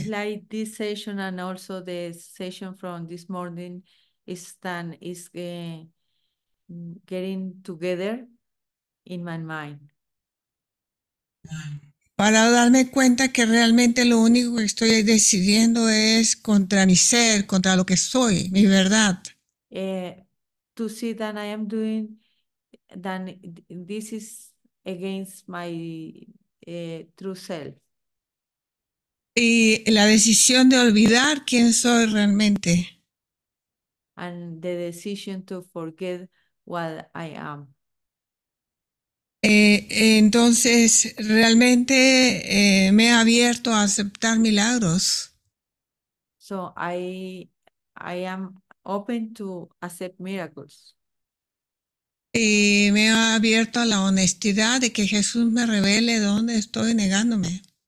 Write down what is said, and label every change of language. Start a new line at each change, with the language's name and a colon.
English: It's like this session and also the session from this morning is getting together in my mind.
Spanish: Para darme cuenta que realmente lo único que estoy decidiendo es contra mi ser, contra lo que soy, mi verdad.
English: To see that I am doing, that this is against my true self.
Spanish: Y la decisión de olvidar quién soy realmente.
English: And the decision to forget what I am.
Spanish: Entonces, realmente me he abierto a aceptar milagros.
English: So I am open to accept miracles.
Spanish: Y me ha abierto a la honestidad de que Jesús me revele dónde estoy negándome.